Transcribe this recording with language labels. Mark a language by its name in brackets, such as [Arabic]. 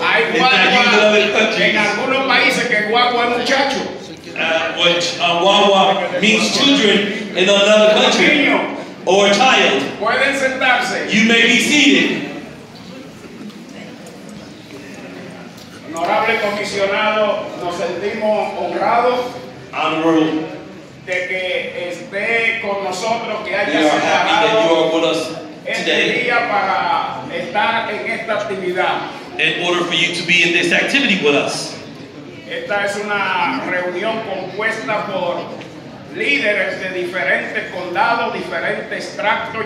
[Spanish] Hay guagua en algunos países que guagua es muchacho. [English] Which wawa means children in another country or a child. [Spanish] Pueden sentarse. [English] You may be seated. [Spanish] Honorable comisionado, nos sentimos honrados. Honorable. De que esté con nosotros, que haya [English] sido. We are happy that you are with us today. [Spanish] Este día para estar en esta actividad. [English] In order for you to be in this activity with us. [Spanish] Esta es una reunión compuesta por líderes de diferentes condados, diferentes tractos.